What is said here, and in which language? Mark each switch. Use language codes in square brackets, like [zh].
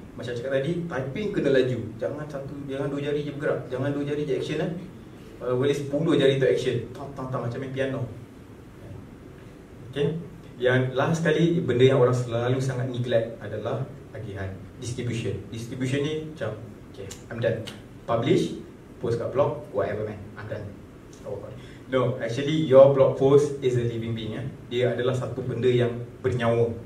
[ms] Macam cakap tadi, typing kena laju. Jangan satu, jangan dua jari je bergerak. Jangan dua jari je action eh. Boleh 10 jari tu action. Tang, macam main piano. Okay. Yang last sekali, benda yang orang selalu sangat neglect adalah agihan. [en] Distribution. Distribution [ms] ni macam, [en] okay, I'm done. Publish, post kat blog, whatever man, I'm done. Oh, no, actually your blog post is a living being. Eh? [ms] Dia adalah satu benda yang bernyawa.